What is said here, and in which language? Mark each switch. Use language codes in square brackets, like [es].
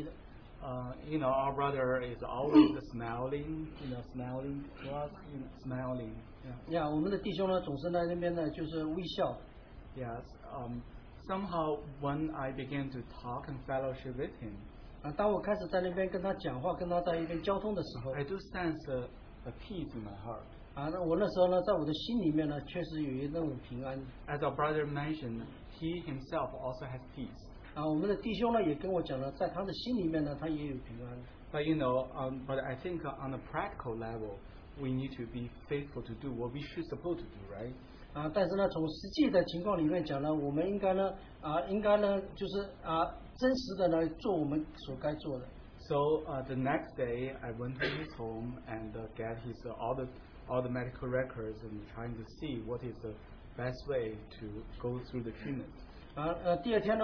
[en] You know, our brother is always smiling, you know, smiling to us, you know, smiling. Yeah. [zh] Yeah, 我们的弟兄呢，总是在那边呢，就是微笑。Yes. [en] Somehow, when I began to talk and fellowship with him, [zh] 当我开始在那边跟他讲话，跟他在一边交通的时候， [en] I do sense a peace in my heart. [zh] 那我那时候呢，在我的心里面呢，确实有一种平安。 [en] As our brother mentioned, he himself also has peace. [zh] 我们的弟兄呢，也跟我讲了，在他的心里面呢，他也有平安。 [en] But you know, but I think on a practical level, we need to be faithful to do what we should supposed to do, right? [zh] 但是呢，从实际的情况里面讲呢，我们应该呢，应该呢，就是真实的来做我们所该做的。 [en] So the next day, I went to his home and get his all the medical records and trying to see what is the best way to go through the treatment.